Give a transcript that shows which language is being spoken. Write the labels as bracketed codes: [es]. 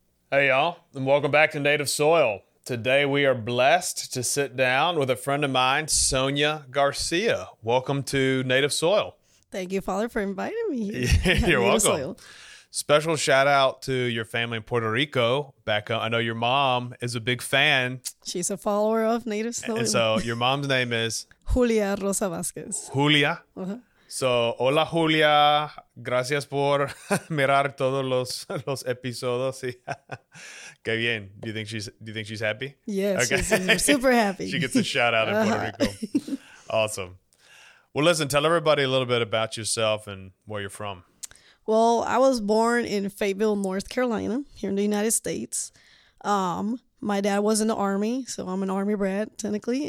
[en] Hey y'all, and welcome back to Native Soil. Today we are blessed to sit down with a friend of mine, Sonia Garcia. Welcome to Native Soil. Thank you, Father, for inviting me. You're welcome. Special shout out to your family in Puerto Rico, Becca. I know your mom is a big fan. She's a follower of Native Soil. And so your mom's name is? Julia Rosa Vasquez. Julia. [es] So, hola Julia, gracias por mirar todos los episodios. Qué bien. [en] Do you think she's happy? Yes, okay. She's super happy. She gets a shout out in Puerto Rico. Awesome. Well, listen, tell everybody a little bit about yourself and where you're from. Well, I was born in Fayetteville, North Carolina, here in the United States. My dad was in the Army, so I'm an Army brat, technically.